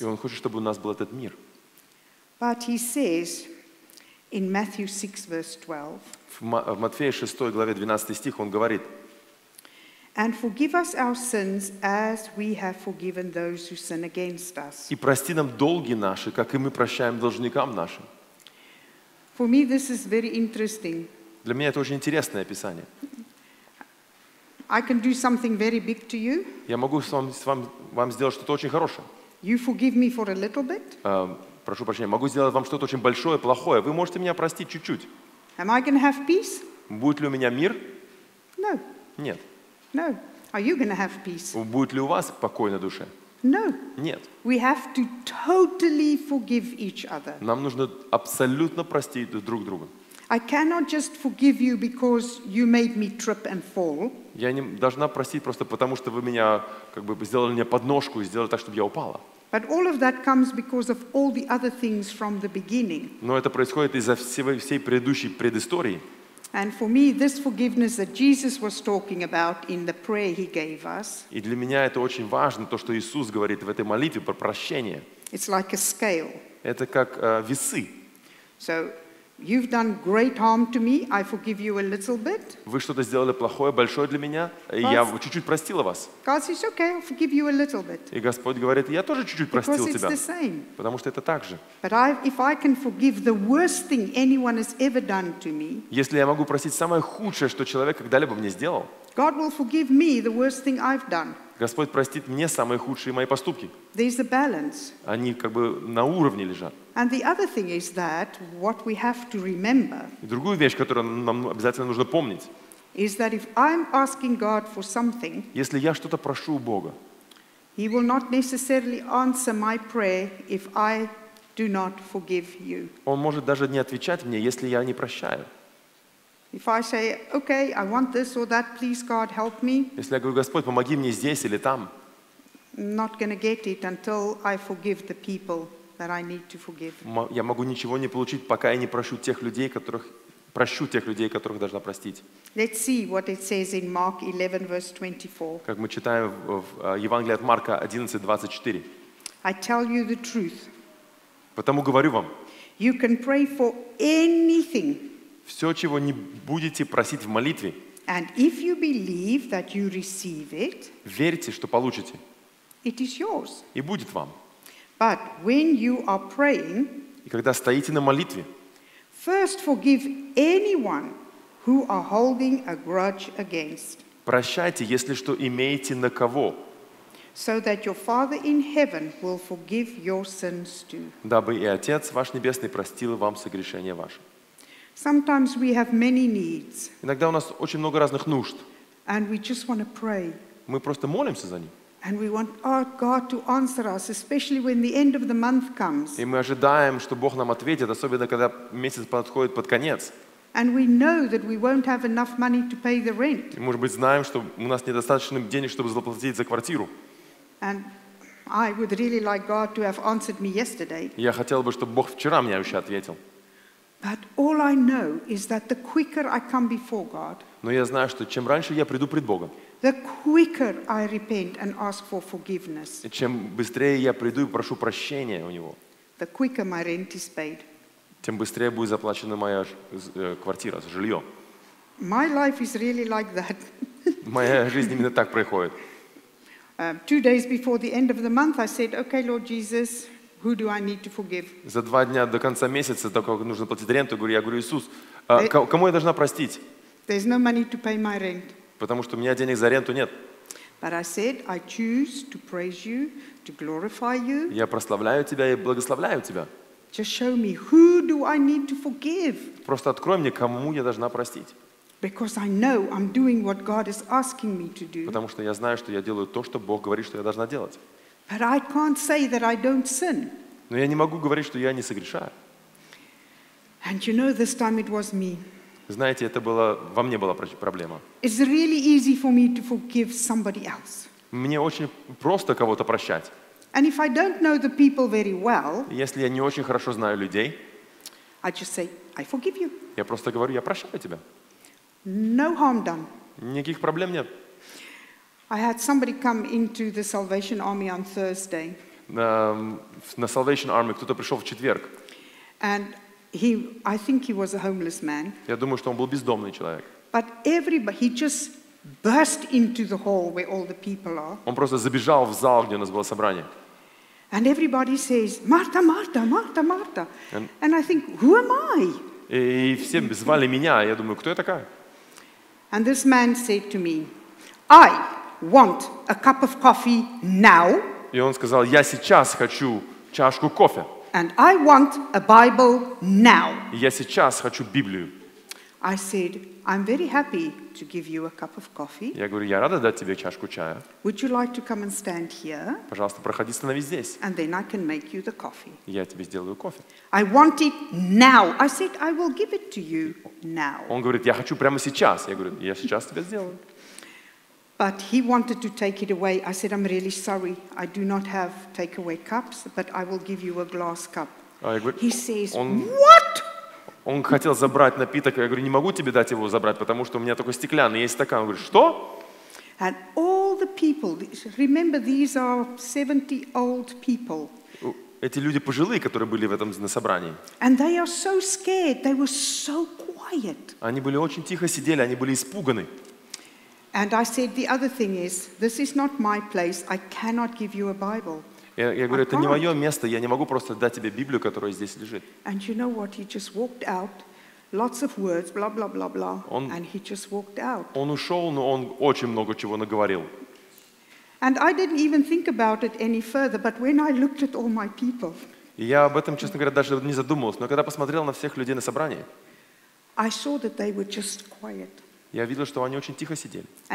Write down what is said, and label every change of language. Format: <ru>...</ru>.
<ru>И Он хочет, чтобы у нас был этот мир.</ru> <en>But He says in Matthew 6 verse 12.</en> <ru>В Матфея 6 главе 12 стих Он говорит.</ru> <en>And forgive us our sins as we have forgiven those who sin against us.</en> <ru>И прости нам долги наши, как и мы прощаем должникам нашим.</ru> <en>For me this is very interesting.</en> <ru>Для меня это очень интересное описание.</ru> <en>I can do something very big to you.</en> <ru>Я могу вам сделать что-то очень хорошее.</ru> <en>You forgive me for a little bit?</en> <ru>Прошу прощения, могу сделать вам что-то очень большое, плохое. Вы можете меня простить чуть-чуть?</ru> <en>Am I going to have peace?</en> <ru>Будет ли у меня мир?</ru> <en>No.</en> <ru>Нет.</ru> <en>No. Are you going to have peace?</en> <ru>Будет ли у вас покой на душе?</ru> <en>No.</en> <ru>Нет.</ru> <en>We have to totally forgive each other.</en> <ru>Нам нужно абсолютно простить друг друга.</ru> <en>I cannot just forgive you because you made me trip and fall.</en> <ru>Я не должна простить просто потому, что вы меня как бы сделали мне подножку и сделали так, чтобы я упала.</ru> <en>But all of that comes because of all the other things from the beginning.</en> <ru>Но это происходит из-за всей предыдущей предыстории.</ru> <en>And for me, this forgiveness that Jesus was talking about in the prayer He gave us.</en> <ru>И для меня это очень важно, то, что Иисус говорит в этой молитве про прощение.</ru> <en>It's like a scale.</en> <ru>Это как весы.</ru> <en>So, you've done great harm to me. I forgive you a little bit.</en> <ru>Вы что-то сделали плохое, большое для меня, и я чуть-чуть простила вас.</ru> <en>God says, okay, I'll forgive you a little bit.</en> <ru>И Господь говорит, я тоже чуть-чуть простил тебя.</ru> <en>Because it's the same.</en> <ru>Потому что это так же.</ru> <en>But if I can forgive the worst thing anyone has ever done to me.</en> <ru>Если я могу простить самое худшее, что человек когда-либо мне сделал.</ru> <en>God will forgive me the worst thing I've done.</en> <ru>Господь простит мне самые худшие мои поступки.</ru> <en>There's a balance.</en> <ru>Они как бы на уровне лежат.</ru> <en>And the other thing is that what we have to remember.</en> <ru>И другую вещь, которую нам обязательно нужно помнить.</ru> <en>Is that if I'm asking God for something.</en> <ru>Если я что-то прошу у Бога.</ru> <en>He will not necessarily answer my prayer if I do not forgive you.</en> <ru>Он может даже не отвечать мне, если я не прощаю.</ru> <en>If I say, okay, I want this or that, please God help me.</en> <ru>Если я говорю, Господь, помоги мне здесь или там.</ru> <en>I'm not going to get it until I forgive the people. That I need to forgive.</en> <ru>Я могу ничего не получить, пока я не прощу тех людей, которых прощу тех людей, которых должна простить.</ru> <en>Let's see what it says in Mark 11, verse 24.</en> <ru>Как мы читаем в Евангелии от Марка 11:24.</ru> <en>I tell you the truth.</en> <ru>Потому говорю вам.</ru> <en>You can pray for anything.</en> <ru>Все, чего не будете просить в молитве.</ru> <en>And if you believe that you receive it.</en> <ru>Верьте, что получите.</ru> <en>It is yours.</en> <ru>И будет вам.</ru> <en>But when you are praying,</en> <ru>и когда стоите на молитве,</ru> <en>first forgive anyone who are holding a grudge against.</en> <ru>Прощайте, если что имеете на кого.</ru> <en>So that your Father in heaven will forgive your sins too.</en> <ru>Дабы и Отец ваш небесный простил вам согрешения ваши.</ru> <en>Sometimes we have many needs.</en> <ru>Иногда у нас очень много разных нужд.</ru> <en>And we just want to pray.</en> <ru>Мы просто молимся за них.</ru> <en>And we want our God to answer us, especially when the end of the month comes.</en> <ru>И мы ожидаем, что Бог нам ответит, особенно когда месяц подходит под конец.</ru> <en>And we know that we won't have enough money to pay the rent.</en> <ru>И, может быть, знаем, что у нас недостаточно денег, чтобы заплатить за квартиру.</ru> <en>And I would really like God to have answered me yesterday.</en> <ru>Я хотел бы, чтобы Бог вчера мне еще ответил.</ru> <en>But all I know is that the quicker I come before God.</en> <ru>Но я знаю, что чем раньше я приду пред Богом.</ru> <en>The quicker I repent and ask for forgiveness.</en> <ru>Чем быстрее я приду и прошу прощения у него.</ru> <en>The quicker my rent is paid.</en> <ru>Тем быстрее будет заплачена моя квартира, жилье.</ru> <en>My life is really like that.</en> <ru>Моя жизнь именно так проходит.</ru> <en>2 days before the end of the month, I said, "Okay, Lord Jesus, who do I need to forgive?"</en> <ru>За 2 дня до конца месяца, так как нужно платить рент, я говорю, Иисус, кому я должна простить?</ru> <en>There's no money to pay my rent.</en> <ru>Потому что у меня денег за аренду нет.</ru> <en>But I said, I choose to praise you, to glorify you.</en> <ru>Я прославляю тебя и благословляю тебя.</ru> <en>Just show me who do I need to forgive.</en> <ru>Просто открой мне, кому я должна простить.</ru> <en>Because I know I'm doing what God is asking me to do.</en> <ru>Потому что я знаю, что я делаю то, что Бог говорит, что я должна делать.</ru> <en>But I can't say that I don't sin.</en> <ru>Но я не могу говорить, что я не согрешаю.</ru> <en>And you know, this time it was me.</en> <ru>Знаете, это было, во мне была проблема.</ru> <en>It's really easy for me to forgive somebody else.</en> <ru>Мне очень просто кого-то прощать.</ru> <en>And if I don't know the people very well,</en> <ru>если я не очень хорошо знаю людей,</ru> <en>I just say, I forgive you.</en> <ru>Я просто говорю, я прощаю тебя.</ru> <en>No harm done.</en> <ru>Никаких проблем нет.</ru> <en>I had somebody come into the Salvation Army on Thursday.</en> <ru>На Salvation Army кто-то пришел в четверг.</ru> <en>And I think he was a homeless man.</en> <ru>Я думаю, что он был бездомный человек.</ru> <en>But everybody, he just burst into the hall where all the people are.</en> <ru>Он просто забежал в зал, где у нас было собрание.</ru> <en>And everybody says, Marta, Marta, Marta, Marta. And I think, who am I?</en> <ru>И все звали меня, я думаю, кто я такая?</ru> <en>And this man said to me, I want a cup of coffee now.</en> <ru>И он сказал, я сейчас хочу чашку кофе.</ru> <en>And I want a Bible now.</en> <ru>Я сейчас хочу Библию.</ru> <en>I said, I'm very happy to give you a cup of coffee.</en> <ru>Я говорю, я рада дать тебе чашку чая.</ru> <en>Would you like to come and stand here?</en> <ru>Пожалуйста, проходи, становись здесь.</ru> <en>And then I can make you the coffee.</en> <ru>Я тебе сделаю кофе.</ru> <en>I want it now. I said, I will give it to you now.</en> <ru>Он говорит, я хочу прямо сейчас. Я говорю, я сейчас тебе сделаю.</ru> <en>But he wanted to take it away. I said, I'm really sorry. I do not have takeaway cups, but I will give you a glass cup. He says, what?</en> <ru>Он хотел забрать напиток. Я говорю, не могу тебе дать его забрать, потому что у меня только стеклянный, есть стакан. Он говорит, что?</ru> <en>And all the people, remember, these are 70 old people.</en> <ru>Эти люди пожилые, которые были в этом на собрании.</ru> <en>And they are so scared. They were so quiet.</en> <ru>Они были очень тихо сидели, они были испуганы.</ru> <en>And I said, the other thing is, this is not my place. I cannot give you a Bible.</en> <ru>Я говорю, это не мое место. Я не могу просто дать тебе Библию, которая здесь лежит.</ru> <en>And you know what? He just walked out. Lots of words, blah blah blah blah. And he just walked out.</en> <ru>Он ушел, но он очень много чего наговорил.</ru> <en>And I didn't even think about it any further. But when I looked at all my people,</en> <ru>я об этом, честно говоря, даже не задумывался. Но когда посмотрел на всех людей на собрании,</ru> <en>I saw that they were just quiet.</en> <ru>Я видел, что они очень тихо сидели.</ru>